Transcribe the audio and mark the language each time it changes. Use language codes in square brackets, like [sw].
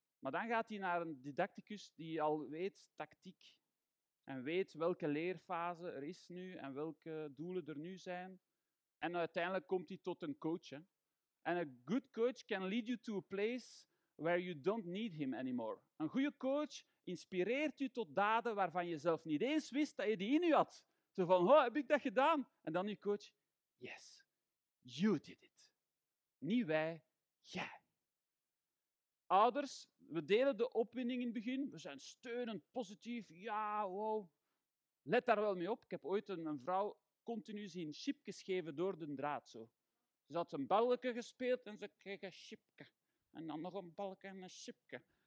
[nl] Maar dan gaat hij naar een didacticus die al weet, tactiek, en weet welke leerfase er is nu en welke doelen er nu zijn. En uiteindelijk komt hij tot een coach. En een [en] good coach can lead you to a place where you don't need him anymore. [nl] Een goede coach inspireert u tot daden waarvan je zelf niet eens wist dat je die in u had. Zo van, oh, heb ik dat gedaan? En dan uw coach, [en] yes, you did it. [nl] Niet wij, jij. Ouders, we delen de opwinding in het begin. We zijn steunend, positief. Ja, wow. Let daar wel mee op. Ik heb ooit een vrouw continu zien chipjes geven door de draad. Zo. Ze had een balken gespeeld en ze kreeg een chipje. En dan nog een balken en een chipje.